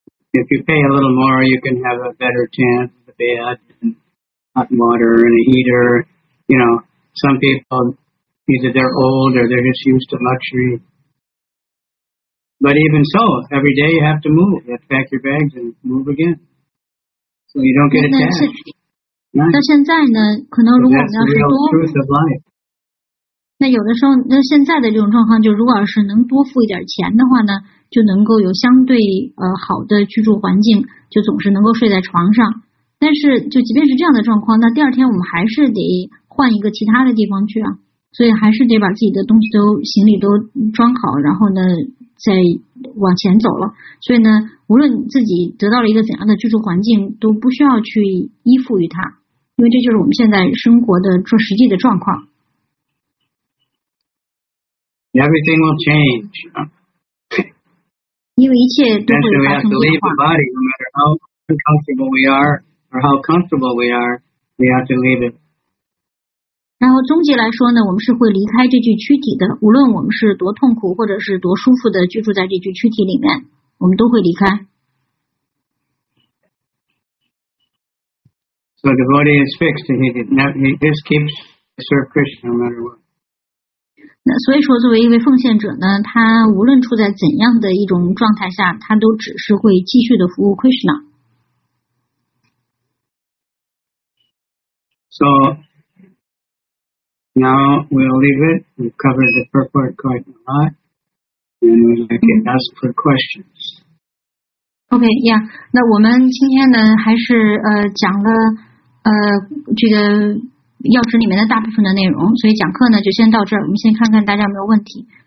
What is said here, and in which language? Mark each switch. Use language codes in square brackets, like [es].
[en] If you pay a little more, you can have a better chance of a bed and hot water and a heater. You know, some people, either they're old or they're just used to luxury. But even so, every day you have to move. You have to pack your bags and move again. So you don't get a chance. [zh] 到现在呢，可能如果我们要是多。 [en] That's the real truth of life. [zh] 那有的时候，那现在的这种状况，就如果要是能多付一点钱的话呢，就能够有相对好的居住环境，就总是能够睡在床上。但是，就即便是这样的状况，那第二天我们还是得换一个其他的地方去啊。所以还是得把自己的东西都行李都装好，然后呢再往前走了。所以呢，无论自己得到了一个怎样的居住环境，都不需要去依附于它，因为这就是我们现在生活的这实际的状况。 [en] Everything will change. Because we have to leave the body, no matter how uncomfortable we are or how comfortable we are, we have to leave it. [zh] 然后终极来说呢，我们是会离开这具躯体的。无论我们是多痛苦或者是多舒服的居住在这具躯体里面，我们都会离开。 [en] So the body is fixed, and it just keeps to serve Krishna no matter what. [zh] 所以说作为一位奉献者呢，他无论处在怎样的一种状态下，他都只是会继续的服务 Krishna。 [en] So now we'll leave it. We've covered the purport quite a lot, and we'd like to ask for questions. Okay, yeah. [zh] 那我们今天呢还是讲了这个钥匙里面的大部分的内容，所以讲课呢就先到这儿。我们先看看大家有没有问题。